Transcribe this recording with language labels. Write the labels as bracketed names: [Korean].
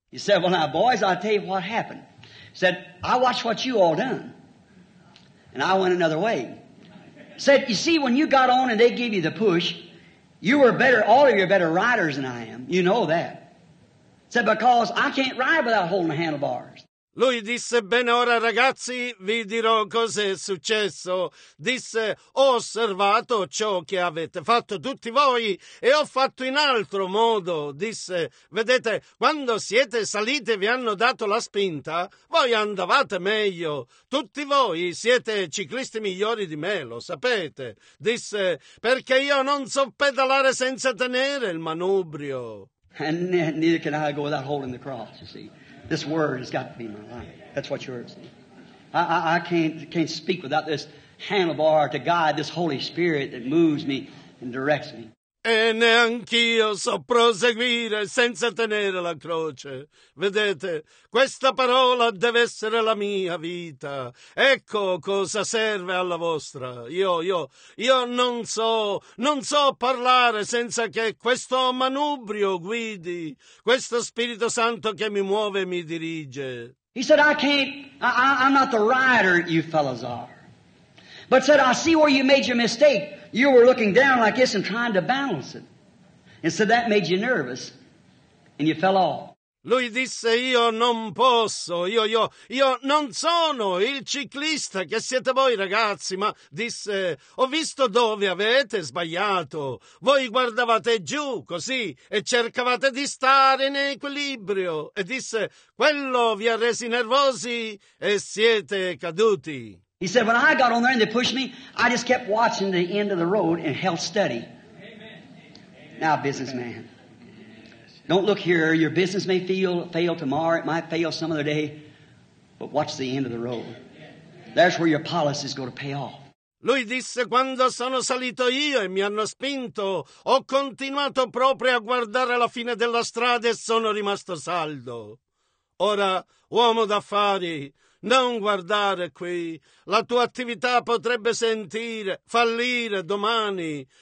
[English] He said, well now boys, I'll tell you what happened. He said, I watched what you all done. And I went another way. He said, you see, when you got on and they gave you the push, you were better, all of you are better riders than I am. You know that. Said, because I can't ride without holding the handlebars. [Italian] Lui disse, bene ora ragazzi, vi dirò cos'è successo. Disse, ho osservato ciò che avete fatto tutti voi e ho fatto in altro modo. Disse, vedete, quando siete salite e vi hanno dato la spinta, voi andavate meglio. Tutti voi siete ciclisti migliori di me, lo sapete. Disse, perché io non so pedalare senza tenere il manubrio. [English] And neither can I go without holding the cross, you see. This word has got to be my life. That's what yours is. I can't speak without this handlebar to guide this Holy Spirit that moves me and directs me. [Italian] E neanch'io so proseguire senza tenere la croce. Vedete, questa parola deve essere la mia vita. Ecco cosa serve alla vostra. Io non so parlare senza che questo manubrio guidi, questo Spirito Santo che mi muove e mi dirige. [English] He said, I'm not the rider you fellows are. But said, I see where you made your mistake. You were looking down like this and trying to balance it. And so that made you nervous and you fell off. [Italian] Lui disse, io non posso, io non sono il ciclista che siete voi ragazzi, ma disse, ho visto dove avete sbagliato. Voi guardavate giù così e cercavate di stare in equilibrio. E disse, quello vi ha resi nervosi e siete caduti. [English] He said, when I got on there and they pushed me, I just kept watching the end of the road and held steady. Amen. Now, businessman, don't look here. Your business may fail tomorrow. It might fail some other day. But watch the end of the road. That's where your policy is going to pay off. [Italian] Lui disse, quando sono salito io e mi hanno spinto, ho continuato proprio a guardare la fine della strada e sono rimasto saldo. Ora, uomo d'affari, non guardare qui. La tua attività potrebbe fallire domani.